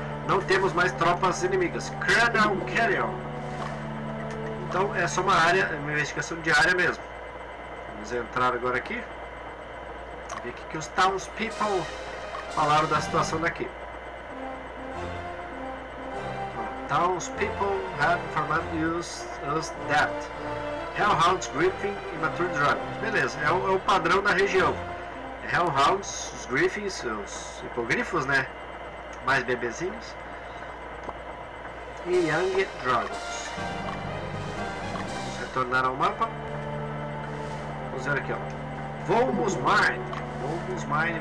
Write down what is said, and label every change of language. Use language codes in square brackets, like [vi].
[pt] Não temos mais tropas inimigas. Cradle Canyon. Então é só uma área, uma investigação de área mesmo. Vamos entrar agora aqui. Ver o que os townspeople falaram da situação daqui. [en] Townspeople have informed us that Hellhounds, Griffin e Mature Dragons. [pt] Beleza, é o padrão da região. Hellhounds, os Griffins, os hipogrifos, né? Mais bebezinhos. E Young Dragons. Vamos retornar ao mapa. Vamos ver aqui, ó. Vomus Mine. Vomus Mine.